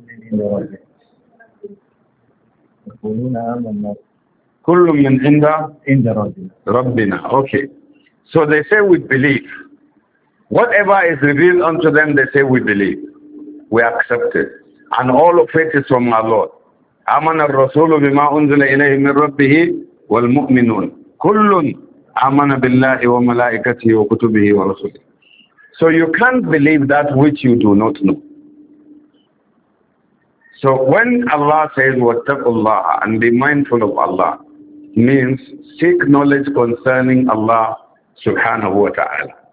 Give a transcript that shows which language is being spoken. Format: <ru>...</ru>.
<ar>كل من عند ربنا يقولون آمنا كل من عند ربنا.</ar> <en>Okay, so they say we believe. Whatever is revealed unto them, they say we believe. We accept it. And all of it is from my Lord.</en> <ar>آمن الرسول بما أنزل إليه من ربه والمؤمنون كل آمن بالله وملائكته وكتبه ورسله.</ar> <en>So you can't believe that which you do not know. So when Allah says</en> <ar>واتقوا الله</ar> <en>and be mindful of Allah means seek knowledge concerning Allah subhanahu wa ta'ala.</en>